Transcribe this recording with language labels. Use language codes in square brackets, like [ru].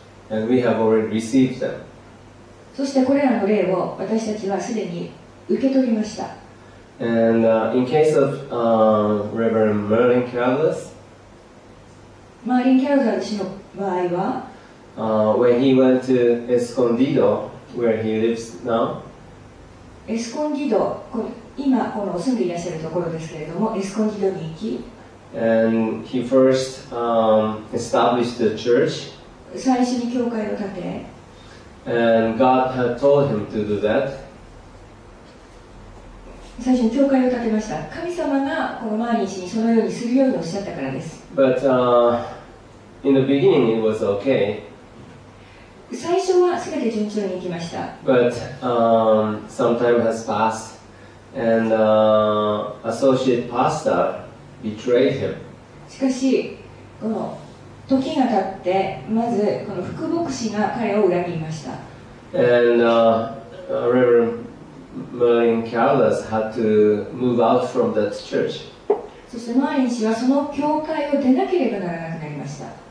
[en] And we have already received them. [ja] そしてこれらの霊を私たちはすでに受け取りました。 [en] And in case of Reverend Merlin Carruthers, [ja] マーリン・キャラザーズ氏の場合は、 [en] when he went to Escondido, where he lives now, [ja] エスコンディド、今この住んでいらっしゃるところですけれども、エスコンディドに行き、 [en] and he first, established the church, [ja] 最初に教会を建て、 [en] and God had told him to do that. [ja] 最初に教会を建てました。神様がこのマーリン氏にそのようにするようにおっしゃったからです。 [en] But, in the beginning, it was okay. [ja] 最初は全て順調にいきました。 [en] But, some time has passed, and, associate pastor betrayed him. [ja] しかし、この時が経って、まずこの副牧師が彼を裏切りました。 [en] And, Reverend Merlin Carruthers had to move out from that church. [ja] そしてマーリン氏はその教会を出なければならなくなりました。